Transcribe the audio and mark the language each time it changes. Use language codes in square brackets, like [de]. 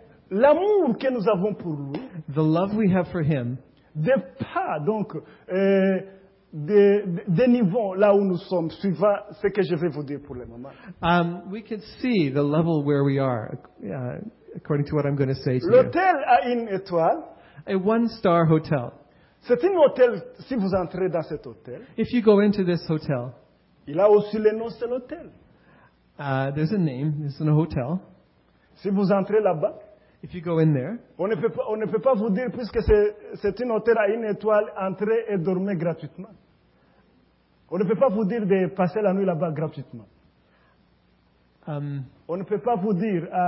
[fr] L'amour que nous avons pour lui, [en] the love we have for him, [fr] dépend donc des niveaux là où nous sommes, suivant ce que je vais vous dire pour le moment. [en] We can see the level where we are, according to what I'm going to say to [fr] l'hôtel [en] you. [fr] L'hôtel a une étoile. [en] A 1-star hotel. [fr] C'est un hôtel, si vous entrez dans cet hôtel. [en] If you go into this hotel. [fr] Il a aussi le nom, c'est l'hôtel. [en] There's a name, it's in a hotel. [fr] Si vous entrez là-bas. [en] If you go in there. [fr] On ne peut pas vous dire, puisque c'est un hôtel à une étoile, entrer et dormir gratuitement. On ne peut pas vous dire de passer la nuit là-bas gratuitement. On ne peut pas vous dire...